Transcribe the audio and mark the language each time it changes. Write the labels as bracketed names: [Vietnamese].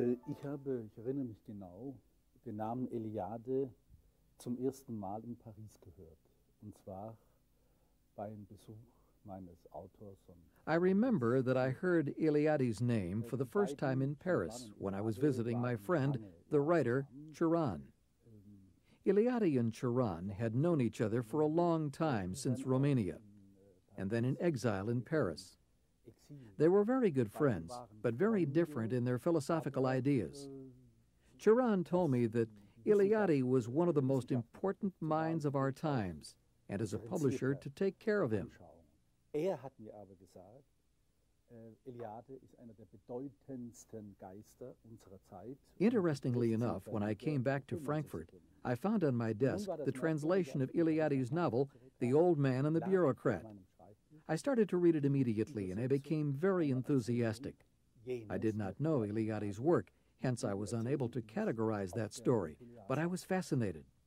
[German] Ich erinnere mich genau, den Namen Eliade zum ersten Mal in Paris gehört, und zwar beim Besuch meines Autors. [English] I remember that I heard Eliade's name for the first time in Paris when I was visiting my friend, the writer Chiron. Eliade and Chiron had known each other for a long time since Romania, and then in exile in Paris. They were very good friends, but very different in their philosophical ideas. Chiron told me that Eliade was one of the most important minds of our times, and as a publisher, to take care of him. [German] Hat mir aber gesagt, Eliade ist einer der bedeutendsten Geister unserer Zeit. [English] Interestingly enough, when I came back to Frankfurt, I found on my desk the translation of Eliade's novel, The Old Man and the Bureaucrat. I started to read it immediately, and I became very enthusiastic. I did not know Eliade's work, hence I was unable to categorize that story, but I was fascinated.